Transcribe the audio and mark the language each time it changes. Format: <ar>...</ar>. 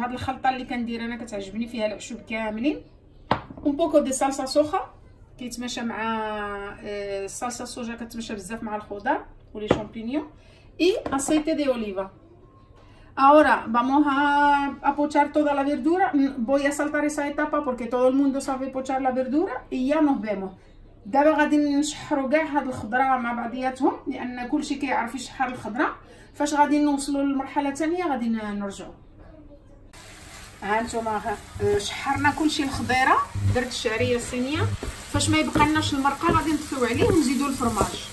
<ar>وهاد الخلطه اللي كندير انا كتعجبني، فيها العشب كاملين.</ar> <es>Un poco de salsa soja, que es salsa soja que es</es> <ar>بزاف مع الخضار و لي شامبينيون.</ar> <es>Y aceite de oliva. Ahora vamos a pochar toda la verdura. Voy a saltar esa etapa porque todo el mundo sabe pochar la verdura. Y ya nos vemos.</es> <ar>دابا غادي نشحروا كاع هاد الخضره مع بعضياتهم، لان كلشي كيعرف يشحر الخضره. فاش غادي نوصلوا للمرحله الثانيه غادي نرجعوا. ها انتما شحرنا كلشي الخضيره، درت الشعريه الصينيه، فاش ما يبقالناش المرقه غادي نطفيو عليه ونزيدو الفرماج.</ar>